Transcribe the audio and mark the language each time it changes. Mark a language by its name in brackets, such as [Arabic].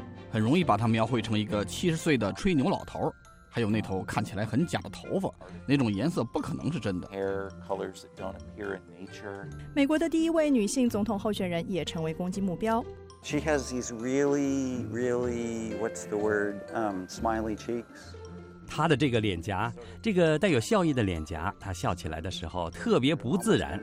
[Chinese] 很容易把他描绘成一个七十岁的吹牛老头，还有那头看起来很假的头发，那种颜色不可能是真的。美国的第一位女性总统候选人也成为攻击目标。 [English] She has these really, really, what's the word, smiley cheeks. [Chinese] 她的这个脸颊，这个带有笑意的脸颊，她笑起来的时候特别不自然。